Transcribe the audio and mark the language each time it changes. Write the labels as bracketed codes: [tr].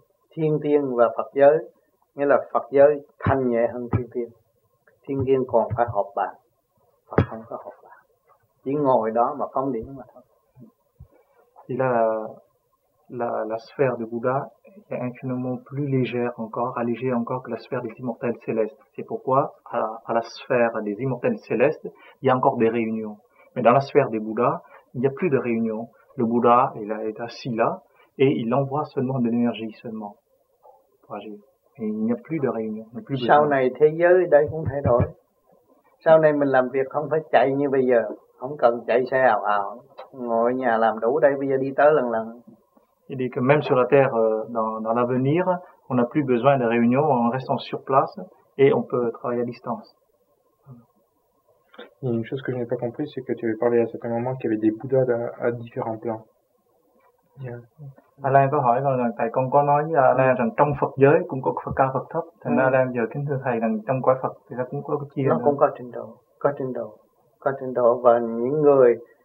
[vi] Thiên tiên và Phật giới, nghĩa là Phật giới thanh nhẹ hơn thiên tiên. Thiên tiên còn phải học bài, Phật không có học bài, chỉ ngồi đó mà phóng điểm mà thôi. Thì là [fr] la sphère du Bouddha est infiniment plus légère encore, allégée encore que la sphère des immortels célestes. C'est pourquoi à la sphère des immortels célestes, il y a encore des réunions. Mais dans la sphère des Bouddhas, il n'y a plus de réunions. Le Bouddha est assis là et il envoie seulement de l'énergie seulement pour agir. Et il n'y a plus de réunions. [vi] Sau này thế giới đây cũng thay đổi. Sau này mình làm việc không phải chạy như bây giờ, không cần chạy xe ào ào, ngồi nhà làm đủ đây. Bây giờ đi tới lần lần. [fr] Il dit que même sur la Terre, dans l'avenir, on n'a plus besoin de réunions, en restant sur place et on peut travailler à distance. Et une chose que je n'ai pas compris, c'est que tu avais parlé à certain moment qu'il y avait des Bouddhas à différents plans. [en] Yeah. [vi] Alain, có hỏi rằng thầy con có nói với Alain rằng trong Phật giới cũng có Phật cao Phật thấp. Thì Alain giờ kính thưa thầy rằng trong quả Phật thì nó cũng có chia. Nó cũng có trình độ, có trình độ, có trình độ và những người.